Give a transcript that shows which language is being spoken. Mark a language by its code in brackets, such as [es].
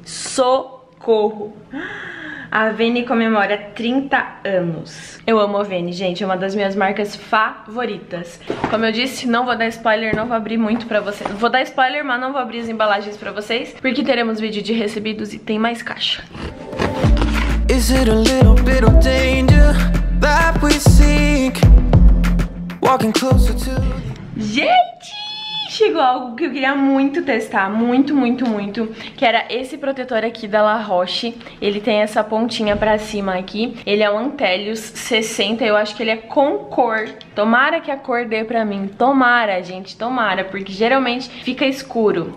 [pt] Socorro! A Avene comemora 30 anos. Eu amo a Avene, gente. É uma das minhas marcas favoritas. Como eu disse, não vou dar spoiler, não vou abrir muito pra vocês. Vou dar spoiler, mas não vou abrir as embalagens pra vocês, porque teremos vídeo de recebidos e tem mais caixa. [en] Is it a little bit of danger that we seek? Walking closer to... [pt] Gente, chegou algo que eu queria muito testar, muito, muito, muito, que era esse protetor aqui da La Roche. Ele tem essa pontinha pra cima aqui, ele é o Antelius 60, eu acho que ele é com cor. Tomara que a cor dê pra mim, tomara, gente, tomara, porque geralmente fica escuro.